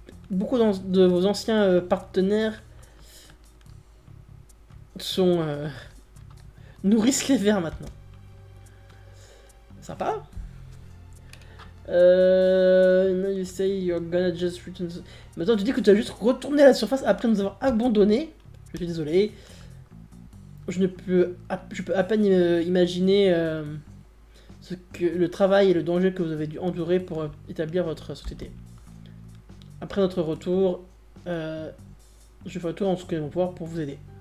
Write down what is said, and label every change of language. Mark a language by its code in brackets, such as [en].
[fr] Beaucoup de vos anciens partenaires sont nourrissent les vers maintenant. Sympa. [en] Now you say you're gonna just return. [fr] Maintenant tu dis que tu as juste retourné à la surface après nous avoir abandonné. Je suis désolé. Je peux à peine imaginer le travail et le danger que vous avez dû endurer pour établir votre société. Après notre retour, je ferai tout en ce que je vais pouvoir pour vous aider.